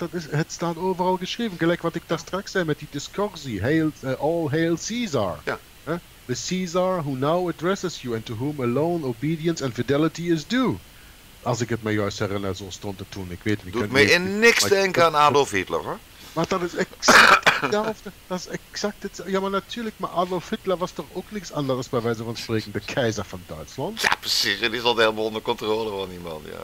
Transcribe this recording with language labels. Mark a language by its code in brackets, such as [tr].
[nl] Het staat overal geschreven. Gelijk wat ik daar straks zei met die discursie. [en] All hail Caesar. [nl] Ja. [en] The Caesar who now addresses you and to whom alone obedience and fidelity is due. [nl] Als ik het me juist herinner, zo stond het toen. Ik weet niet. Doet me in niks denken aan Adolf Hitler, hoor. Maar dat is exact hetzelfde. Dat is exact hetzelfde. Ja, maar natuurlijk, maar Adolf Hitler was toch ook niks anders, bij wijze van spreken, de keizer van Duitsland. Ja, precies. En die zat helemaal onder controle van iemand, ja.